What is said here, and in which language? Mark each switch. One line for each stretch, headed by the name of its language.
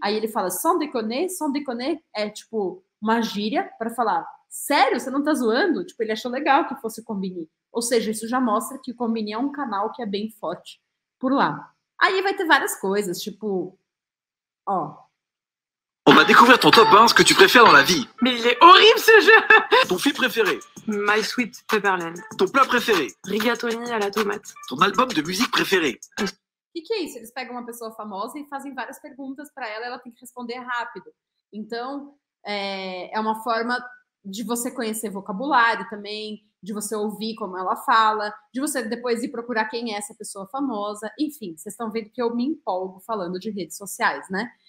Portuguese: Aí ele fala
French: sans déconner
Portuguese: é tipo uma gíria para falar, sério, você não tá zoando? Tipo, ele achou legal que fosse Combini. Ou seja, isso já mostra que o Combini é um canal que é bem forte por lá. Aí vai ter várias coisas, tipo, ó.
French: On va découvrir ton top 1, ce que tu préfères dans la vie. Mais il est horrible ce jeu. Ton film préféré.
English: My Sweet Pepperland.
French: Ton plat préféré. Rigatoni à la tomate. Ton album de musique préféré.
Portuguese: Que é isso? Eles pegam uma pessoa famosa e fazem várias perguntas para ela, ela tem que responder rápido. Então, é uma forma de você conhecer vocabulário também, de você ouvir como ela fala, de você depois ir procurar quem é essa pessoa famosa. Enfim, vocês estão vendo que eu me empolgo falando de redes sociais, né?